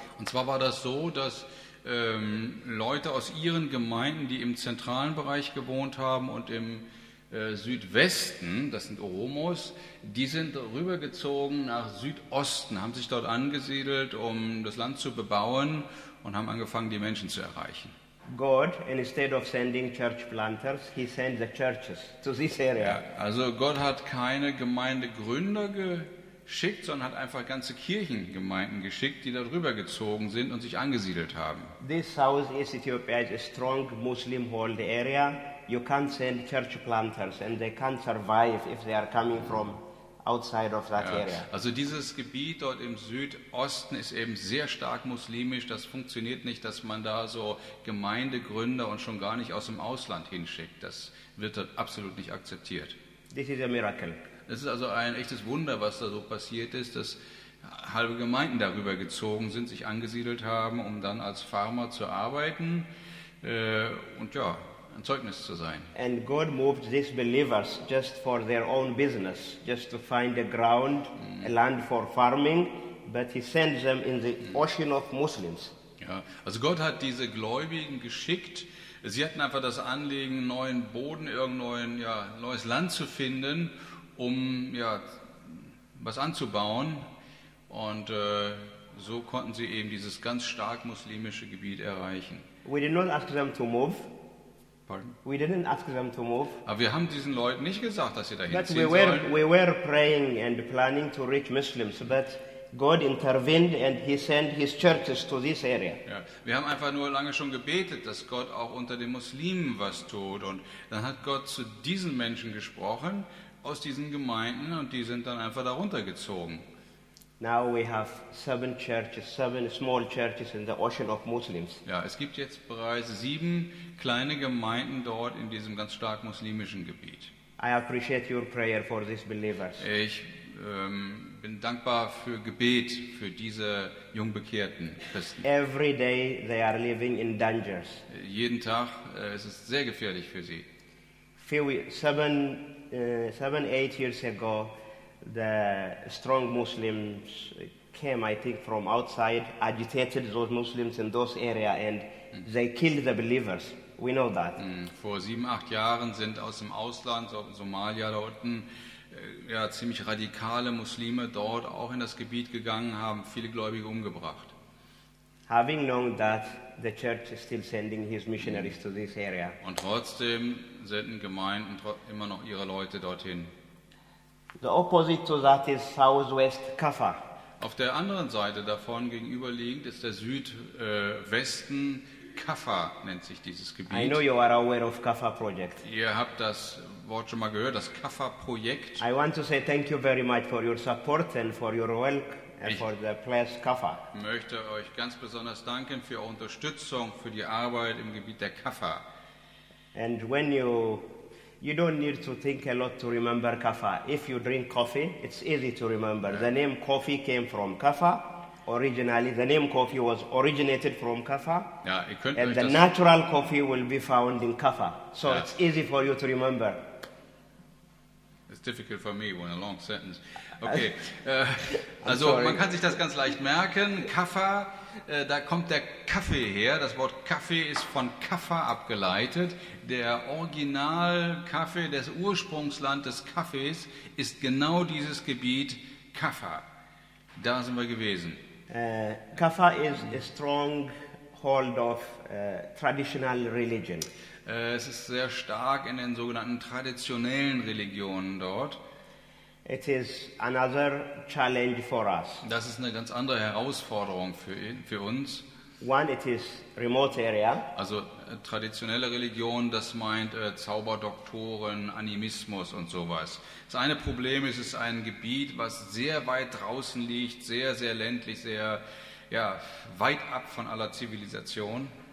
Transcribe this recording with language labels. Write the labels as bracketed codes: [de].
[de] Und zwar war das so, dass Leute aus ihren Gemeinden, die im zentralen Bereich gewohnt haben und im Südwesten, das sind Oromos, die sind rübergezogen nach Südosten, haben sich dort angesiedelt, um das Land zu bebauen und haben angefangen, die Menschen zu erreichen. [en] God, instead of sending church planters, he sent the churches to this area. [de] Ja, also Gott hat keine Gemeindegründer geschickt, sondern hat einfach ganze Kirchengemeinden geschickt, die da rübergezogen sind und sich angesiedelt haben. [en] This southeast Ethiopia is a strong Muslim hold area. You can't send church planters and they can't survive if they are coming from outside of that area. [de] Also dieses Gebiet dort im Südosten ist eben sehr stark muslimisch. Das funktioniert nicht, dass man da so Gemeindegründer und schon gar nicht aus dem Ausland hinschickt. Das wird dort absolut nicht akzeptiert. [en] This is a miracle. [de] Es ist also ein echtes Wunder, was da so passiert ist, dass halbe Gemeinden darüber gezogen sind, sich angesiedelt haben, um dann als Farmer zu arbeiten. Und ja, ein Zeugnis zu sein. [en] And God moved these believers just for their own business, just to find a ground, a land for farming, but he sent them in the ocean of Muslims. [de] Ja, also Gott hat diese Gläubigen geschickt. Sie hatten einfach das Anliegen, neuen Boden, irgendein ja, neues Land zu finden, um ja, was anzubauen. Und so konnten sie eben dieses ganz stark muslimische Gebiet erreichen. [en] We did not ask them to move. Pardon? We didn't ask them to move. [de] Aber wir haben diesen Leuten nicht gesagt, dass sie dahin [en] but [de] ziehen sollen. [en] We were praying and planning to reach Muslims, but God intervened and he sent his churches to this area. [de] Ja, wir haben einfach nur lange schon gebetet, dass Gott auch unter den Muslimen was tut. Und dann hat Gott zu diesen Menschen gesprochen, aus diesen Gemeinden, und die sind dann einfach darunter gezogen. [en] Now we have 7 churches, 7 small churches in the ocean of Muslims. [de] Ja, es gibt jetzt bereits 7 kleine Gemeinden dort in diesem ganz stark muslimischen Gebiet. [en] I appreciate your prayer for these believers. [de] Ich bin dankbar für Gebet für diese jungbekehrten Christen. [en] Every day they are living in dangers. [de] Jeden Tag es ist sehr gefährlich für sie. [en] Seven, eight years ago, the strong Muslims came, I think, from outside, agitated those Muslims in those area, and they killed the believers. We know that. [de] Vor 7-8 Jahren sind aus dem Ausland, Somalia da unten, ja, ziemlich radikale Muslime dort auch in das Gebiet gegangen, haben viele Gläubige umgebracht. [en] Having known that, the church is still sending his missionaries to this area. [de] Und trotzdem senden Gemeinden immer noch ihre Leute dorthin. [en] The opposite to that is southwest Kaffa. [de] Auf der anderen Seite davon gegenüberliegend ist der Südwesten Kaffa, nennt sich dieses Gebiet. [en] I know you are aware of Kaffa project. [de] Ihr habt das Wort schon mal gehört, das Kaffa Projekt. [en] I want to say thank you very much for your support and for your welcome. [de] Ich möchte euch ganz besonders danken für eure Unterstützung für die Arbeit im Gebiet der Kaffa. [en] And when you don't need to think a lot to remember Kaffa. If you drink coffee, it's easy to remember. The name coffee came from Kaffa. Originally, the name coffee was originated from Kaffa. [de] Ja, ihr könnt [en] and the natural coffee will be found in Kaffa. So ja. It's easy for you to remember. It's difficult for me when a long sentence. [de] Okay, also man kann sich das ganz leicht merken. Kaffa, da kommt der Kaffee her. Das Wort Kaffee ist von Kaffa abgeleitet. Der Original-Kaffee, das Ursprungsland des Kaffees, ist genau dieses Gebiet Kaffa. Da sind wir gewesen. [en] Kaffa is a strong hold of traditional religion. [de] Es ist sehr stark in den sogenannten traditionellen Religionen dort. [en] It is another challenge for us. [de] Das ist eine ganz andere Herausforderung für uns. [en] One, it is remote area. [de] Also traditionelle Religion, das meint Zauberdoktoren, Animismus und sowas. Das eine Problem ist, es ist ein Gebiet, was sehr weit draußen liegt, sehr, sehr ländlich, sehr ja, weit ab von aller Zivilisation.